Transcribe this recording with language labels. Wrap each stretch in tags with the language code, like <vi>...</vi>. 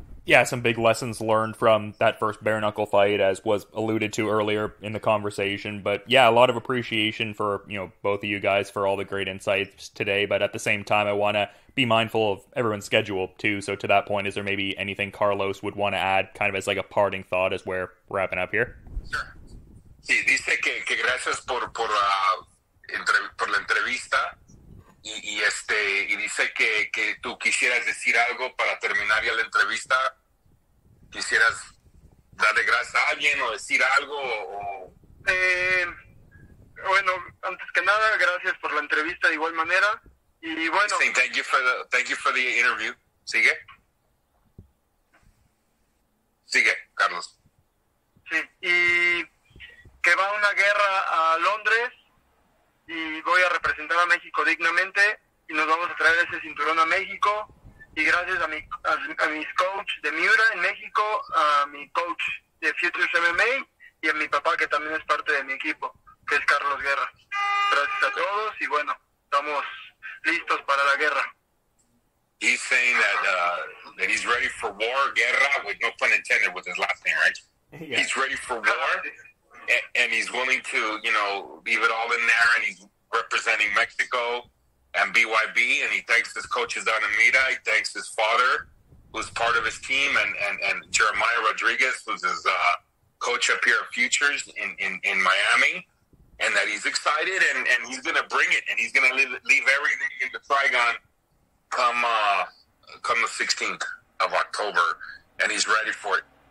<en>Yeah, some big lessons learned from that first bare knuckle fight, as was alluded to earlier in the conversation. But yeah, a lot of appreciation for, you know, both of you guys for all the great insights today. But at the same time, I want to be mindful of everyone's schedule too. So to that point, is there maybe anything Carlos would want to add, kind of as like a parting thought as we're wrapping up here? Sure.</en> <es>Sí, dice que gracias por la entrevista y dice que que tú quisieras decir algo para terminar ya la entrevista. ¿Quisieras darle gracias a alguien o decir algo? Bueno, antes que nada, gracias por la entrevista de igual manera. Y bueno,</es> <en>thank you for the interview.</en> <es>¿Sigue? Sigue, Carlos. Sí, y que va una guerra a Londres y voy a representar a México dignamente y nos vamos a traer ese cinturón a México. Y gracias a mis coach de Miura en México, a mi coach de Futures MMA y a mi papá, que también es parte de mi equipo, que es Carlos Guerra. Gracias a todos y bueno, estamos listos para la guerra.</es> <en>He's saying that he's ready for war, Guerra, with no pun intended with his last name, right? Yeah. He's ready for war and he's willing to, you know, leave it all in there, and he's representing Mexico and BYB, and he thanks his coaches down in Mira, he thanks his father, who's part of his team, and Jeremiah Rodriguez, who's his coach up here at Futures in Miami, and that he's excited, and he's going to bring it, and he's going to leave everything in the Trigon come the 16th of October, and he's ready for it.</en>